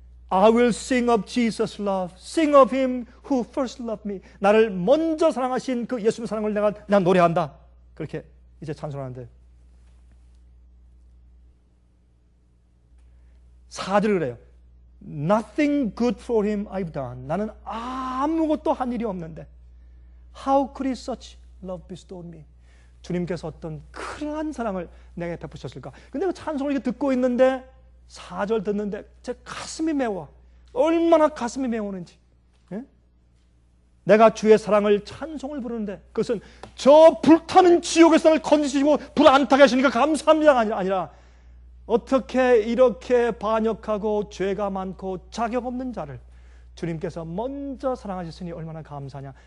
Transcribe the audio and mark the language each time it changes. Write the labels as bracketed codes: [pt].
[en] I will sing of Jesus' love, sing of him who first loved me. [ko] 나를 먼저 사랑하신 그 예수님 사랑을 내가 노래한다. 그렇게 이제 찬송하는데 사절을 그래요. [en] Nothing good for him I've done. [ko] 나는 아무것도 한 일이 없는데 [en] How could he such love bestow me? [ko] 주님께서 어떤 그러한 사랑을 내게 베푸셨을까? 근데 그 찬송을 듣고 있는데 4절 듣는데 제 가슴이 메워. 얼마나 가슴이 메우는지. 예? 내가 주의 사랑을 찬송을 부르는데 그것은 저 불타는 지옥에서 나를 건지시고 불 안 타게 하시니까 감사합니다가 아니라 어떻게 이렇게 반역하고 죄가 많고 자격 없는 자를 주님께서 먼저 사랑하셨으니 얼마나 감사하냐.